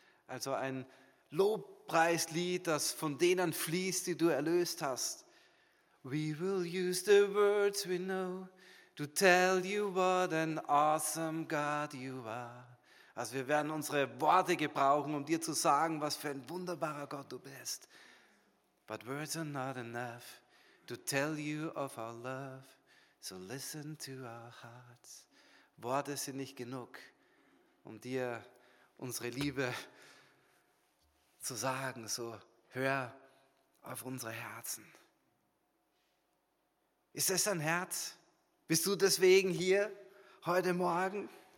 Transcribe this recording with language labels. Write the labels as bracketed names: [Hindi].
[German] Also ein Lobpreislied, das von denen fließt, die du erlöst hast. [English] We will use the words we know to tell you what an awesome God you are. [German] Also wir werden unsere Worte gebrauchen, um dir zu sagen, was für ein wunderbarer Gott du bist. [English] But words are not enough to tell you of our love. So listen to our hearts. [German] Worte sind nicht genug, um dir unsere Liebe zu sagen. So hör auf unsere Herzen. Ist das dein Herz? Bist du deswegen hier heute Morgen?